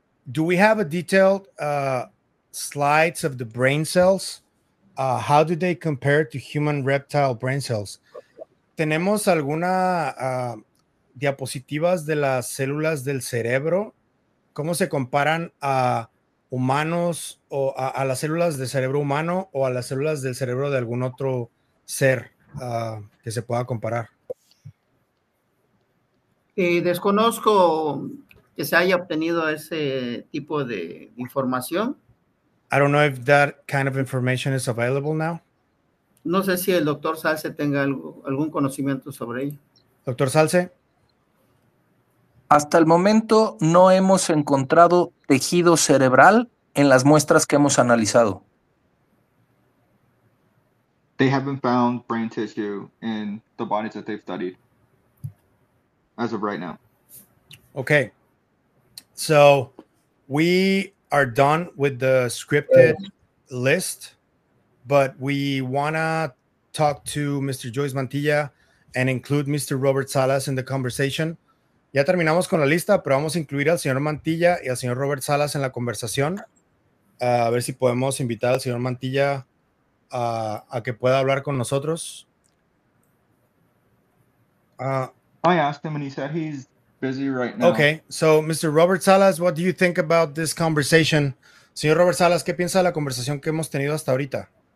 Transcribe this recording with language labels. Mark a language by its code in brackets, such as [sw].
[en] Do we have a detailed slides of the brain cells? How do they compare to human reptile brain cells? [es] ¿Tenemos alguna diapositivas de las células del cerebro? ¿Cómo se comparan a humanos o a las células del cerebro humano o a las células del cerebro de algún otro ser que se pueda comparar? Desconozco que se haya obtenido ese tipo de información. [en] I don't know if that kind of information is available now. [es] No sé si el doctor Salce tenga algún conocimiento sobre ello. Doctor Salce. Hasta el momento no hemos encontrado tejido cerebral en las muestras que hemos analizado. [en] They haven't found brain tissue in the bodies that they've studied as of right now. Okay. So we are done with the scripted list, but we want to talk to Mr. Joyce Mantilla and include Mr. Robert Salas in the conversation. [es] Ya terminamos con la lista, pero vamos a incluir al señor Mantilla y al señor Robert Salas en la conversación. A ver si podemos invitar al señor Mantilla a que pueda hablar con nosotros. [en] I asked him and he said he's busy right now. Okay, so Mr. Robert Salas, what do you think about this conversation? [es] Señor Robert Salas, ¿qué piensa de la conversación que hemos tenido hasta ahorita?